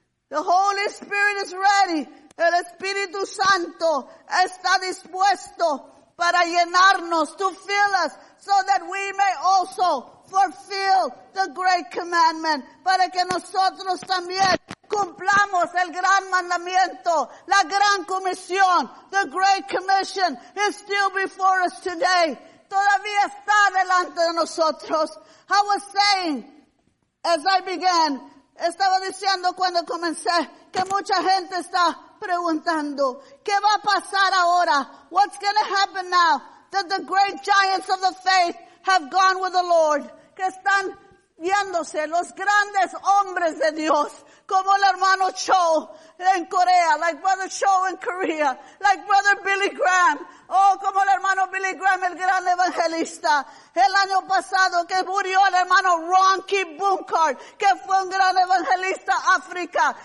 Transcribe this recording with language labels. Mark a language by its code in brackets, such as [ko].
[en] The Holy Spirit is ready. [es] El Espíritu Santo está dispuesto para llenarnos, [en] to fill us, so that we may also fulfill the great commandment, [es] para que nosotros también cumplamos el gran mandamiento, la gran comisión, [en] the great commission is still before us today. [es] Todavía está delante de nosotros. [en] I was saying, as I began, [es] estaba diciendo cuando comencé, que mucha gente está preguntando, ¿qué va a pasar ahora? [en] What's going to happen now that the great giants of the faith have gone with the Lord? [es] Que están yéndose los grandes hombres de Dios, como el hermano Cho en Corea, [en] like Brother Cho in Korea, like Brother Billy Graham. [es] Oh, como el hermano Billy Graham, el gran evangelista. El año pasado que murió el hermano Ronky Bunkard, que fue un gran evangelista a África.